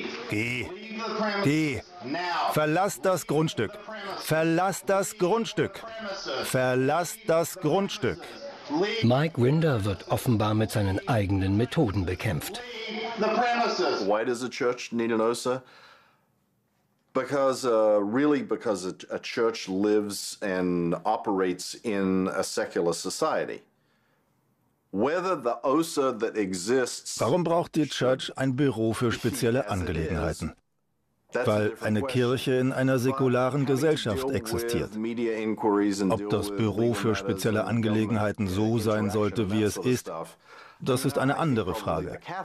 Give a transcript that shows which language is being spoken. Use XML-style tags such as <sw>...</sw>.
<de>Geh. Geh. Verlass das Grundstück. Verlass das Grundstück. Verlass das Grundstück. Mike Winder wird offenbar mit seinen eigenen Methoden bekämpft.</de> <en>Why does the church need an OSA? Because a church lives and operates in a secular society. Whether the OSA that exists.</en> <de>Warum braucht die Church ein Büro für spezielle Angelegenheiten? Weil eine Kirche in einer säkularen Gesellschaft existiert. Ob das Büro für spezielle Angelegenheiten so sein sollte, wie es ist, das ist eine andere Frage.</de>